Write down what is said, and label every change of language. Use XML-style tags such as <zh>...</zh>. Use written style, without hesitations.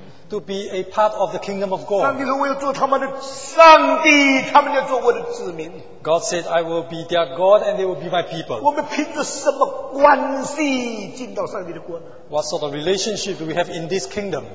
<en>To be a part of the kingdom of God.</en> <zh>上帝说我要做他们的上帝, 他们要做我的子民,</zh> <en>God said, I will be their God and they will be my people.</en> <zh>我们凭着什么关系进到上帝的国呢?</zh> <en>What sort of relationship do we have in this kingdom?</en>